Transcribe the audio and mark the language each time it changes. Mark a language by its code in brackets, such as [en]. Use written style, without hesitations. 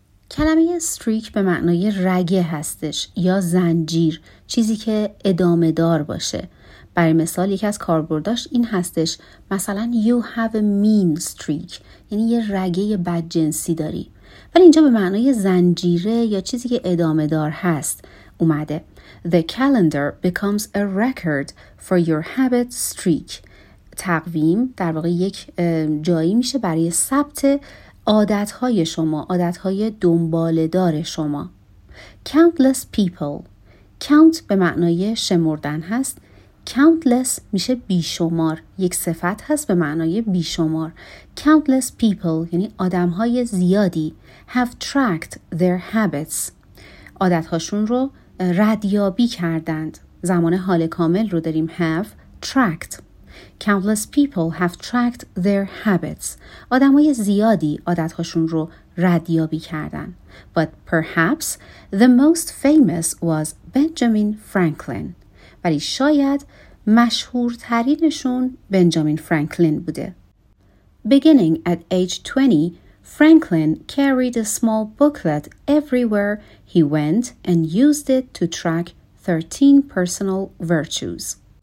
[fa] کلمه streak به معنای رگه هستش یا زنجیر, چیزی که ادامه دار باشه. برای مثال یکی از کاربرداش این هستش, مثلا [en] you have a mean streak, [fa] یعنی یه رگه بدجنسی داری. ولی اینجا به معنای زنجیره یا چیزی که ادامه دار هست اومده. [en] The calendar becomes a record for your habit streak. [fa] تقویم در واقع یک جایی میشه برای ثبت عادتهای شما, عادتهای دنباله دار شما. [en] Countless people. [fa] Count به معنای شمردن هست. Countless میشه بیشمار. یک صفت هست به معنای بیشمار. [en] Countless people [fa] یعنی آدمهای زیادی [en] have tracked their habits. [fa] عادتهاشون رو ردیابی کردند. زمان حال کامل رو داریم [en] have tracked. Countless people have tracked their habits. [fa] آدمهای زیادی عادتهاشون رو ردیابی کردن. [en] But perhaps the most famous was Benjamin Franklin. [fa] ولی شاید مشهورترینشون بنجامین فرانکلین بوده. [en] Beginning at age 20, Franklin carried a small booklet everywhere he went and used it to track 13 personal virtues.